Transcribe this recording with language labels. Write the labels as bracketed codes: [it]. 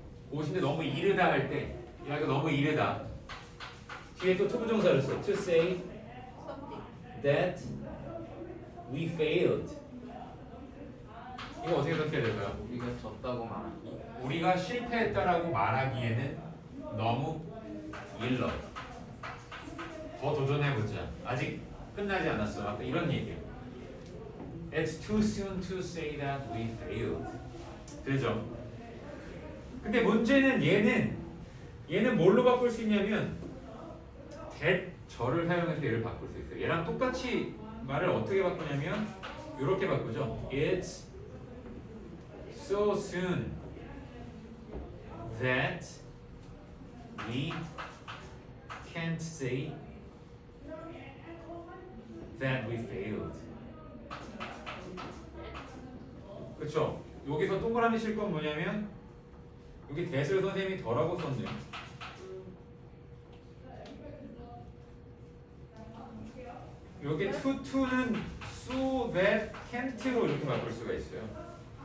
[ko] 곧인데 너무 이르다 할 때 야 이거 너무 이르다 뒤에 또 to 부정사를 써 [en] to say that we failed. [ko] 이거 어떻게 해석해야 될까요? 우리가 졌다고 말하기 우리가 실패했다라고 말하기에는 너무 일러 더 도전해보자 아직 끝나지 않았어 아까 이런 얘기예요. [en] It's too soon to say that we failed. [ko] 그죠? 근데 문제는 얘는 뭘로 바꿀 수 있냐면 that 저를 사용해서 얘를 바꿀 수 있어요. 얘랑 똑같이 말을 어떻게 바꾸냐면 이렇게 바꾸죠. [en] It's so soon that we can't say that we failed. [ko] 그쵸? 여기서 동그라미 칠 건 뭐냐면 여기 대슬 선생님이 덜하고 썼네요. 여기 to to는 so that can't로 이렇게 바꿀 수가 있어요.